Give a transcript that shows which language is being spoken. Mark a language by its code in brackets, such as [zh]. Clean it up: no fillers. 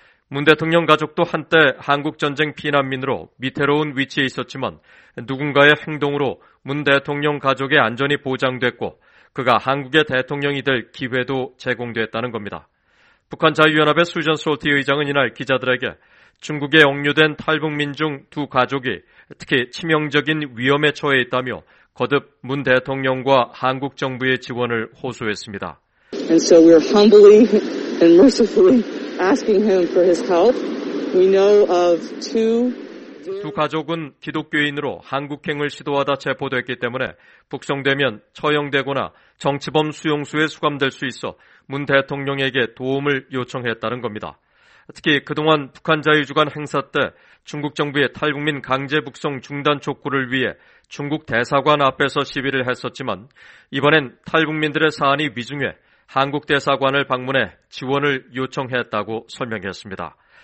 [ko] 문 대통령 가족도 한때 한국전쟁 피난민으로 미태로운 위치에 있었지만 누군가의 행동으로 문 대통령 가족의 안전이 보장됐고 그가 한국의 대통령이 될 기회도 제공됐다는 겁니다. 북한자유연합의 수전 솔티 의장은 이날 기자들에게 중국에 억류된 탈북민 중 두 가족이 특히 치명적인 위험에 처해 있다며 거듭 문 대통령과 한국 정부의 지원을 호소했습니다. [en] And so we're humbly and mercifully asking him for his help. We know of two. [ko] 두 가족은 기독교인으로 한국행을 시도하다 체포됐기 때문에 북송되면 처형되거나 정치범 수용소에 수감될 수 있어 문 대통령에게 도움을 요청했다는 겁니다. 특히 그동안 북한 자유주간 행사 때 중국 정부의 탈북민 강제 북송 중단 촉구를 위해 중국 대사관 앞에서 시위를 했었지만 이번엔 탈북민들의 사안이 위중해 한국 대사관을 방문해 지원을 요청했다고 설명했습니다.